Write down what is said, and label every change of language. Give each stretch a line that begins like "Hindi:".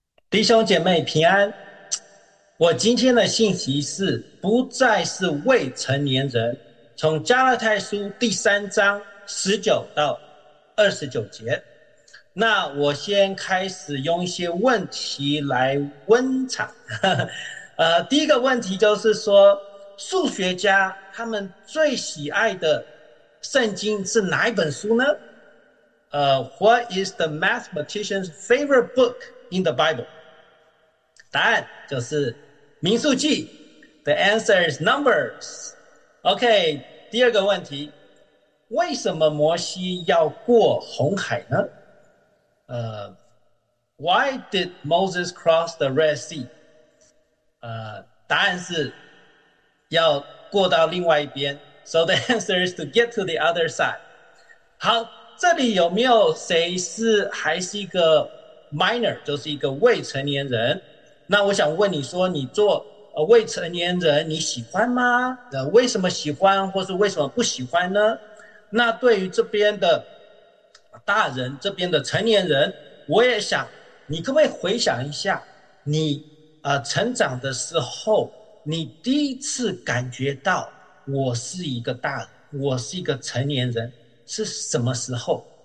Chinese: 弟兄姐妹平安，我今天的信息是不再是未成年人，从加拉太书第三章19到29节。那我先开始用一些问题来温场。第一个问题就是说，数学家他们最喜爱的圣经是哪一本书呢？
English: What is the mathematician's favorite book in the Bible？
Chinese: 答案就是民数记。
English: The answer is Numbers.
Chinese: OK，第二个问题，为什么摩西要过红海呢？
English: Why did Moses cross the Red Sea？
Chinese: 答案是要过到另外一边。
English: So the answer is to get to the other side。
Chinese: 好，这里有没有谁是还是一个 minor，就是一个未成年人？那我想问你说，你做未成年人，你喜欢吗？为什么喜欢，或是为什么不喜欢呢？那对于这边的大人，这边的成年人，我也想，你可不可以回想一下，你成长的时候，你第一次感觉到我是一个大人，我是一个成年人，是什么时候？